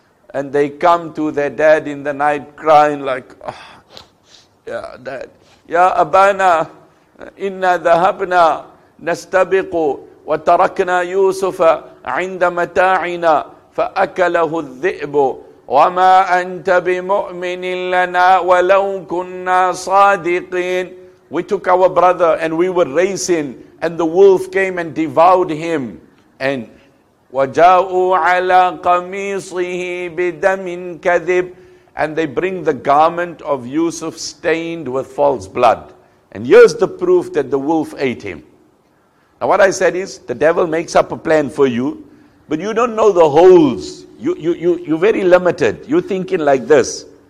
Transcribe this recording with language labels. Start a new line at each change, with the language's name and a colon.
English: And they come to their dad in the night crying like, oh,
Arabic: ya dad, ya abana, inna dhahabna nastabiqu وَتَرَكْنَا يُوسُفَ عِنْدَ مَتَاعِنَا فَأَكَلَهُ الذِّئْبُ وَمَا أَنْتَ بِمُؤْمِنٍ لَنَا وَلَوْ كُنَّا صَادِقِينَ.
English: We took our brother and we were racing, and the wolf came and devoured him.
Arabic: And وَجَاءُوا عَلَىٰ قَمِيصِهِ بِدَمٍ كَذِبٍ.
English: And they bring the garment of Yusuf stained with false blood. And here's the proof that the wolf ate him. Now what I said is, the devil makes up a plan for you, but you don't know the holes. You're very limited. You're thinking like this.